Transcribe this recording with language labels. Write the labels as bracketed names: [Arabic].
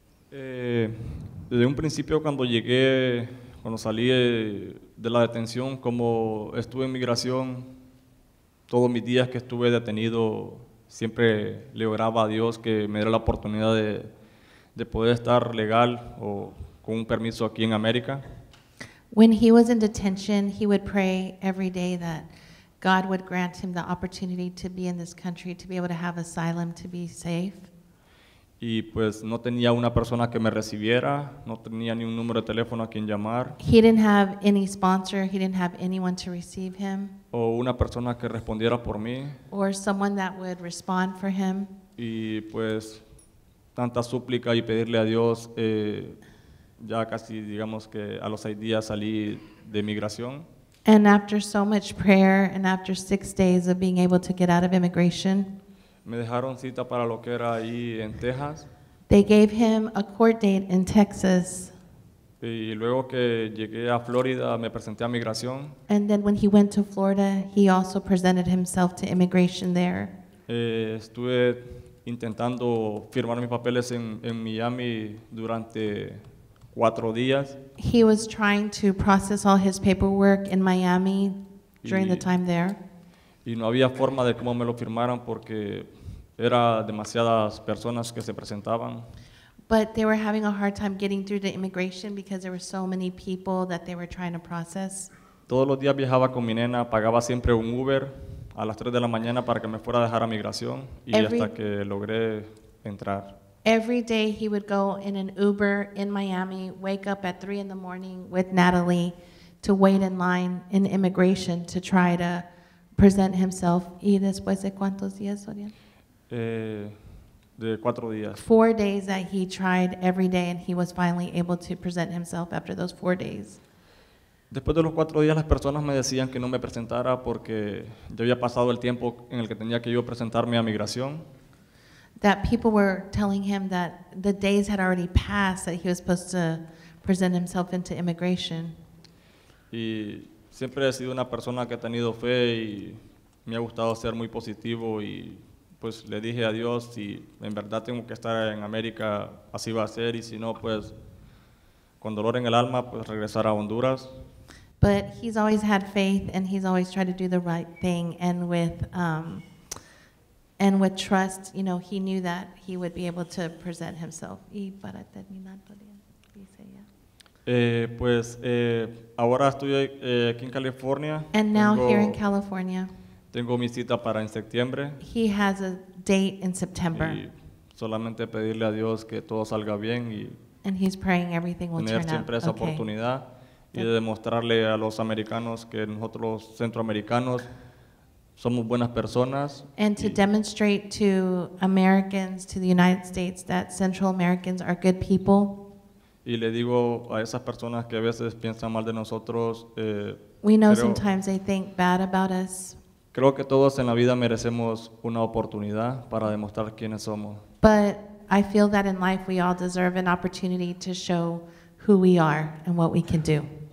[Spanish] Desde un principio, cuando llegué, cuando salí de la detención, como estuve en migración, todos mis días que estuve detenido, siempre le oraba a Dios que me diera la oportunidad de poder estar legal o con un permiso aquí en América. [English] When he was in detention, he would pray every day that God would grant him the opportunity to be in this country, to be able to have asylum, to be safe. [Spanish] Y pues no tenía una persona que me recibiera, no tenía ni un número de teléfono a quien llamar. [English] He didn't have any sponsor, he didn't have anyone to receive him. [Spanish] O una persona que respondiera por mí. [English] Or someone that would respond for him. [Spanish] Y pues tanta súplica y pedirle a Dios, ya casi digamos que a los 6 días salí de migración. [English] And after so much prayer and after 6 days of being able to get out of immigration, [Spanish] me dejaron cita para lo que era ahí en Texas. [English] They gave him a court date in Texas. [Spanish] Y luego que llegué a Florida, me presenté a migración. [English] And then when he went to Florida, he also presented himself to immigration there. [Spanish] Estuve intentando firmar mis papeles en Miami durante 4 días. [English] He was trying to process all his paperwork in Miami during the time there. [Spanish] Y no había forma de cómo me lo firmaran porque era demasiadas personas que se presentaban. [English] But they were having a hard time getting through the immigration because there were so many people that they were trying to process. [Spanish] Todos los días viajaba con mi nena, pagaba siempre un Uber a las 3 de la mañana para que me fuera a dejar a migración, y hasta que logré entrar. [English] Every day he would go in an Uber in Miami, wake up at 3 a.m. with Natalie to wait in line in immigration to try to present himself. [Spanish] ¿Y después de cuántos días, Orián? De 4 días. [English] 4 days that he tried every day, and he was finally able to present himself after those 4 days. [Spanish] Después de los 4 días, las personas me decían que no me presentara porque ya había pasado el tiempo en el que tenía que yo presentarme a migración. [English] That people were telling him that the days had already passed that he was supposed to present himself into immigration. [Spanish] Y siempre he sido una persona que ha tenido fe y me ha gustado ser muy positivo y pues le dije a Dios, si en verdad tengo que estar en América, así va a ser, y si no, pues con dolor en el alma, pues regresar a Honduras. [English] But he's always had faith and he's always tried to do the right thing, and with trust, you know, he knew that he would be able to present himself. [Spanish] Y para terminar, Dorian, dice ya. Ahora estoy aquí en California. [English] And now [Spanish] tengo, [English] here in California. [Spanish] Tengo mi cita para en septiembre. [English] He has a date in September. [Spanish] Y solamente pedirle a Dios que todo salga bien y [English] and he's praying everything will [Spanish] tener [English] turn [Spanish] siempre esa [English] okay. [Spanish] oportunidad y de demostrarle a los americanos que nosotros centroamericanos somos buenas personas. [English] And to demonstrate to Americans, to the United States, that Central Americans are good people. [Spanish] Y le digo a esas personas que a veces piensan mal de nosotros. [English] We know sometimes they think bad about us. [Spanish] Creo que todos en la vida merecemos una oportunidad para demostrar quiénes somos. [English] But I feel that in life we all deserve an opportunity to show who we are and what we can do.